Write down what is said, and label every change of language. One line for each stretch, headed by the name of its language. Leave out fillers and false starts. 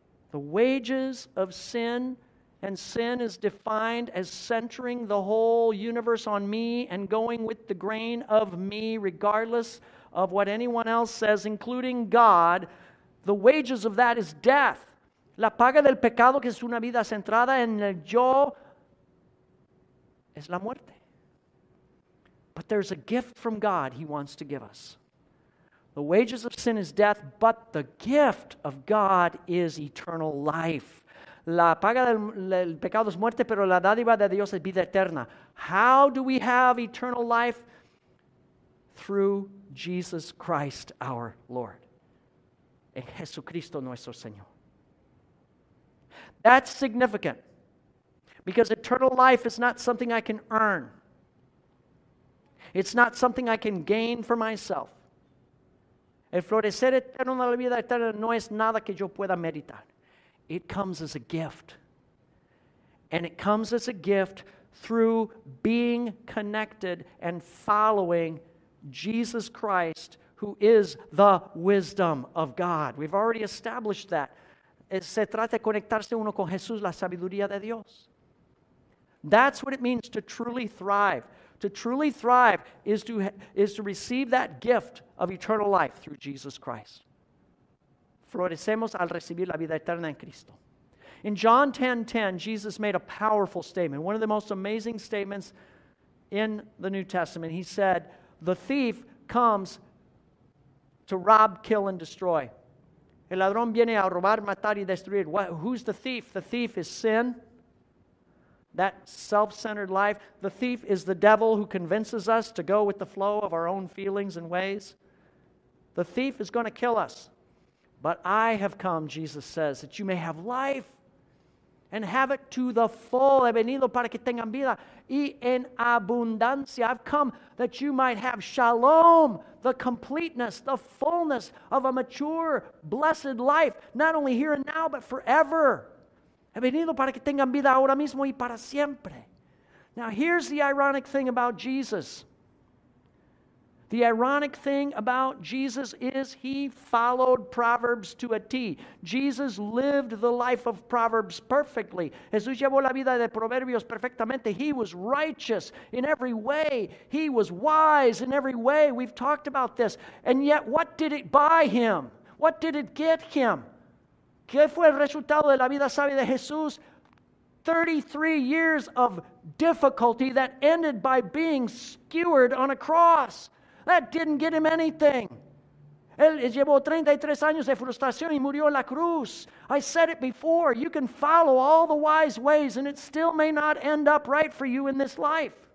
English: The wages of sin, and sin is defined as centering the whole universe on me and going with the grain of me, regardless of what anyone else says, including God, the wages of that is death.
Spanish: La paga del pecado, que es una vida centrada en el yo, es la muerte.
English: But there's a gift from God he wants to give us. The wages of sin is death, but the gift of God is eternal life.
Spanish: La paga del pecado es muerte, pero la dádiva de Dios es vida eterna.
English: How do we have eternal life? Through Jesus Christ, our Lord.
Spanish: En Jesucristo nuestro Señor.
English: That's significant. Because eternal life is not something I can earn. It's not something I can gain for myself.
Spanish: El florecer eterno de la vida eterna no es nada que yo pueda meditar.
English: It comes as a gift. And it comes as a gift through being connected and following Jesus Christ, who is the wisdom of God. We've already established that.
Spanish: Se trata de conectarse uno con Jesús, la sabiduría de Dios.
English: That's what it means to truly thrive. To truly thrive is to receive that gift of eternal life through Jesus Christ.
Spanish: Florecemos al recibir la vida eterna en Cristo.
English: In John 10:10, Jesus made a powerful statement, one of the most amazing statements in the New Testament. He said, the thief comes to rob, kill, and destroy.
Spanish: El ladrón viene a robar, matar, y destruir.
English: What, who's the thief? The thief is sin. That self-centered life. The thief is the devil who convinces us to go with the flow of our own feelings and ways. The thief is going to kill us. But I have come, Jesus says, that you may have life and have it to the full.
Spanish: He venido para que tengan vida y en abundancia.
English: I've come that you might have shalom, the completeness, the fullness of a mature, blessed life, not only here and now, but forever.
Spanish: He venido para que tengan vida ahora mismo y para siempre.
English: Now, here's the ironic thing about Jesus. The ironic thing about Jesus is he followed Proverbs to a T. Jesus lived the life of Proverbs perfectly.
Spanish: Jesús llevó la vida de Proverbios perfectamente.
English: He was righteous in every way. He was wise in every way. We've talked about this. And yet, what did it buy him? What did it get him?
Spanish: ¿Qué fue el resultado de la vida sabia de Jesús?
English: 33 years of difficulty that ended by being skewered on a cross. That didn't get him anything.
Spanish: Él llevó 33 años de frustración y murió en la cruz.
English: I said it before. You can follow all the wise ways and it still may not end up right for you in this life.